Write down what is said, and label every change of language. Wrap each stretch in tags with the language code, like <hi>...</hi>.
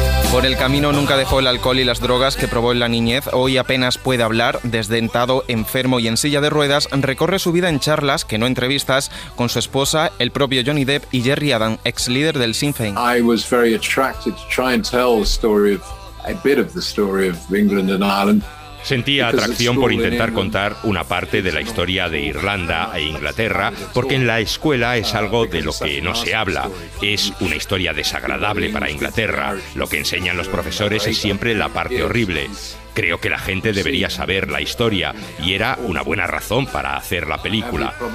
<es>Por el camino nunca dejó el alcohol y las drogas que probó en la niñez. Hoy apenas puede hablar, desdentado, enfermo y en silla de ruedas, recorre su vida en charlas, que no entrevistas, con su esposa, el propio Johnny Depp y Gerry Adam, ex líder del Sinn Féin.</es> <en>I was very attracted to try and tell the story of a bit of the story of England and Ireland.</en> <es>Sentía atracción por intentar contar una parte de la historia de Irlanda e Inglaterra, porque en la escuela es algo de lo que no se habla. Es una historia desagradable para Inglaterra. Lo que enseñan los profesores es siempre la parte horrible. Creo que la gente debería saber la historia y era una buena razón para hacer la película.</es>